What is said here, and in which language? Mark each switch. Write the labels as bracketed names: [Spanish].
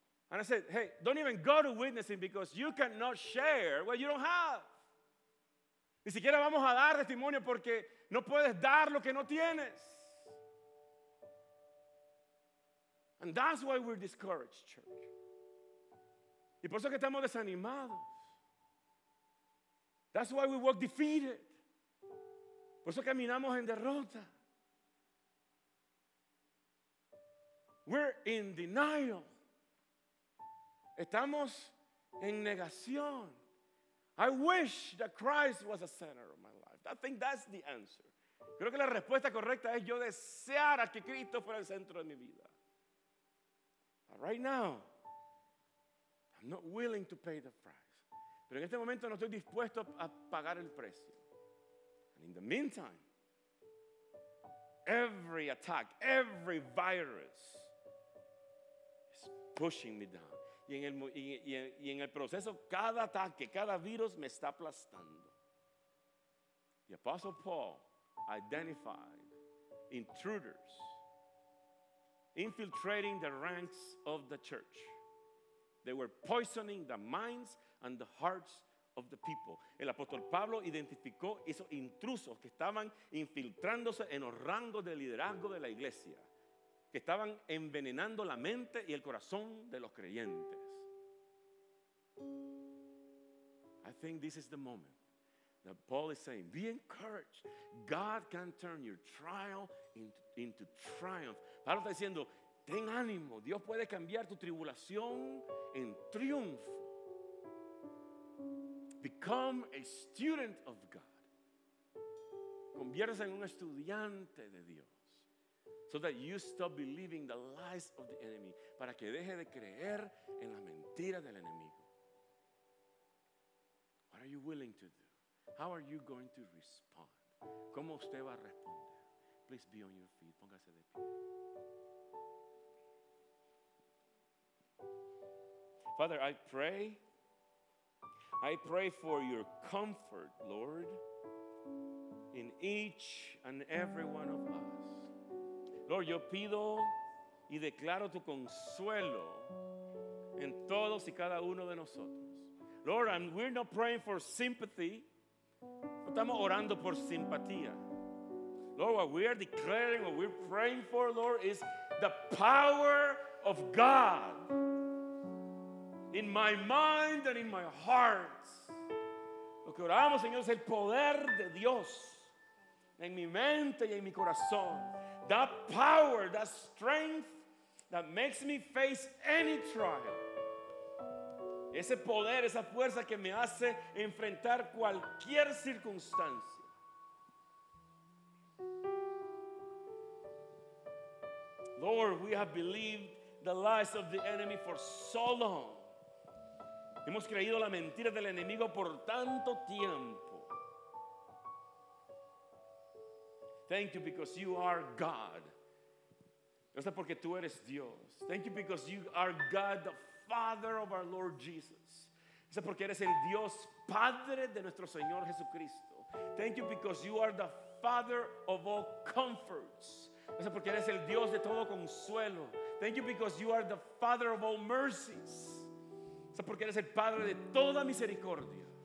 [English] And I said, hey, don't even go to witnessing because you cannot share what you don't have. [Spanish] Ni siquiera vamos a dar testimonio porque no puedes dar lo que no tienes. [English] And that's why we're discouraged, church. [Spanish] Y por eso es que estamos desanimados. [English] That's why we walk defeated. [Spanish] Por eso caminamos en derrota. [English] We're in denial. [Spanish] Estamos en negación. [English] I wish that Christ was the center of my life. I think that's the answer. [Spanish] Creo que la respuesta correcta es yo deseara que Cristo fuera el centro de mi vida. [English] But right now, I'm not willing to pay the price. [Spanish] Pero en este momento no estoy dispuesto a pagar el precio. [English] And in the meantime, every attack, every virus is pushing me down. [Spanish] Y en el proceso, cada ataque, cada virus me está aplastando. [English] The Apostle Paul identified intruders infiltrating the ranks of the church. They were poisoning the minds and the hearts of the people. [Spanish] El apóstol Pablo identificó esos intrusos que estaban infiltrándose en los rangos de liderazgo de la iglesia, que estaban envenenando la mente y el corazón de los creyentes. [English] I think this is the moment that Paul is saying, be encouraged. God can turn your trial into triumph. [Spanish] Pablo está diciendo, ten ánimo. Dios puede cambiar tu tribulación en triunfo. [English] Become a student of God. [Spanish] Conviértase en un estudiante de Dios. [English] So that you stop believing the lies of the enemy. [Spanish] Para que deje de creer en la mentira del enemigo. [English] What are you willing to do? How are you going to respond? [Spanish] ¿Cómo usted va a responder? [English] Please be on your feet. [Spanish] Póngase de pie. [English] Father, I pray. I pray for your comfort, Lord, in each and every one of us. [Spanish] Lord, yo pido y declaro tu consuelo en todos y cada uno de nosotros. [English] Lord, and we're not praying for sympathy. [Spanish] Estamos orando por simpatía. [English] Lord, what we are declaring, what we're praying for, Lord, is the power of God in my mind and in my heart. [Spanish] Lo que oramos, Señor, es el poder de Dios en mi mente y en mi corazón. [English] That power, that strength that makes me face any trial. [Spanish] Ese poder, esa fuerza que me hace enfrentar cualquier circunstancia. [English] Lord, we have believed the lies of the enemy for so long. [Spanish] Hemos creído la mentira del enemigo por tanto tiempo. [English] Thank you because you are God. [Spanish] Gracias porque tú eres Dios. [English] Thank you because you are God the Father of our Lord Jesus. [Spanish] Es porque eres el Dios Padre de nuestro Señor Jesucristo. [English] Thank you because you are the Father of all comforts. [Spanish] Es porque eres el Dios de todo consuelo. [English] Thank you because you are the Father of all mercies. [Spanish] Es porque eres el Padre de toda misericordia.